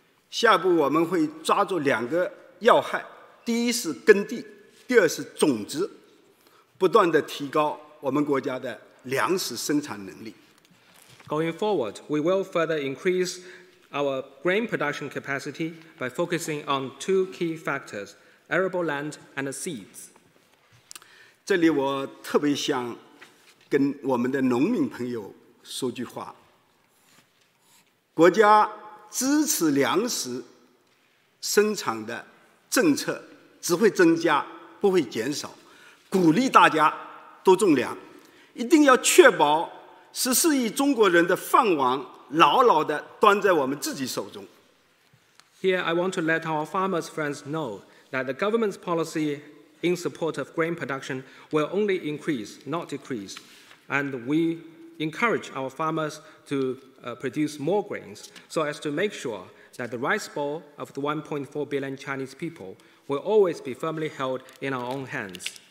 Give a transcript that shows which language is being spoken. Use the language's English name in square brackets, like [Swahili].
[Chinese] 下步我们会抓住两个要害，第一是耕地，第二是种植，不断地提高我们国家的粮食生产能力。 [English] Going forward, we will further increase our grain production capacity by focusing on two key factors, arable land and seeds. [Chinese] 这里我特别想跟我们的农民朋友说句话。国家支持粮食生产的政策只会增加，不会减少。鼓励大家多种粮，一定要确保14亿中国人的饭碗牢牢地端在我们自己手中。 [English] Here I want to let our farmers' friends know that the government's policy in support of grain production will only increase, not decrease, and we encourage our farmers to produce more grains so as to make sure. That the rice bowl of the 1.4 billion Chinese people will always be firmly held in our own hands.